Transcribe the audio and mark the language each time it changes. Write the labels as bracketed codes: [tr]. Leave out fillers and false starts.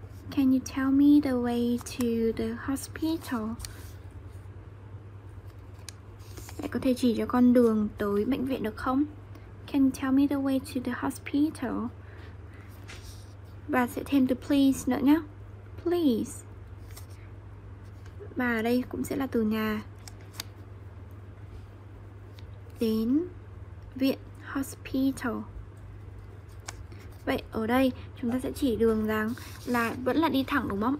[en] Can you tell me the way to the hospital? [vi] Mẹ có thể chỉ cho con đường tới bệnh viện được không? [en] Can you tell me the way to the hospital? [vi] Và sẽ thêm từ please nữa nhé. Please. Và ở đây cũng sẽ là từ nhà đến viện, hospital. Vậy ở đây chúng ta sẽ chỉ đường rằng là vẫn là đi thẳng đúng không?